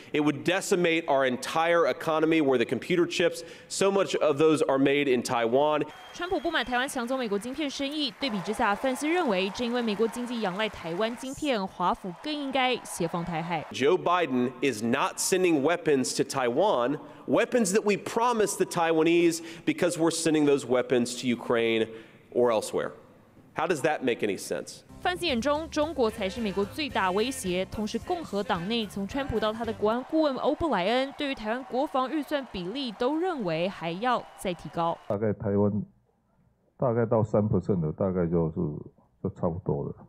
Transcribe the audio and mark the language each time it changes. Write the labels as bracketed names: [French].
[English] It would decimate our entire economy, where the computer chips, so much of those are made in Taiwan. [Chinese] 川普不满台湾抢走美国晶片生意，对比之下，范斯认为正因为美国经济仰赖台湾晶片，华府更应该协防台海。 [English] Joe Biden is not sending weapons to Taiwan, weapons that we promised the Taiwanese, because we're sending those weapons to Ukraine or elsewhere. How does that make any sense? [Chinese] 范斯眼中，中国才是美国最大威胁。同时，共和党内从川普到他的国安顾问欧布莱恩，对于台湾国防预算比例都认为还要再提高。大概台湾大概到3%的，大概就差不多了。